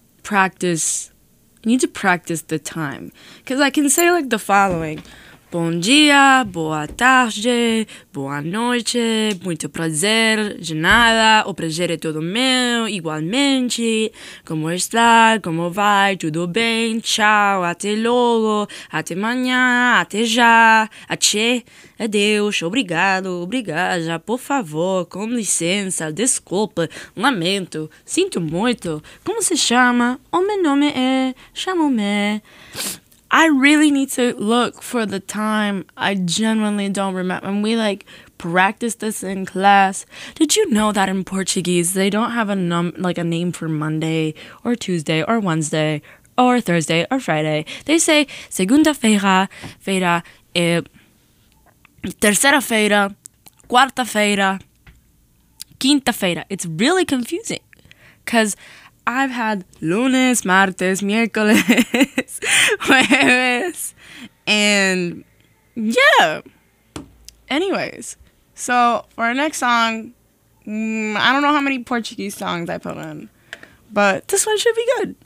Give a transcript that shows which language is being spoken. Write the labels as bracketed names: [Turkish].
[English] I need to practice the time. Because I can say, like, the following. [Portuguese] Bom dia, boa tarde, boa noite, muito prazer, de nada, o prazer é todo meu, igualmente. Como está? Como vai? Tudo bem? Tchau, até logo, até amanhã, até já, até, adeus, obrigado, obrigada, por favor, com licença, desculpa, lamento, sinto muito. Como se chama? O meu nome é, chamo-me... [English] I really need to look for the time. I genuinely don't remember. And we, like, practiced this in class. Did you know that in Portuguese, they don't have a name for Monday or Tuesday or Wednesday or Thursday or Friday? They say [Portuguese] segunda-feira, feira, terceira-feira, quarta-feira, quinta-feira. [English] It's really confusing because... I've had [Spanish] lunes, martes, miércoles, jueves, [English] and yeah. Anyways, so for our next song, I don't know how many Portuguese songs I put in, but this one should be good.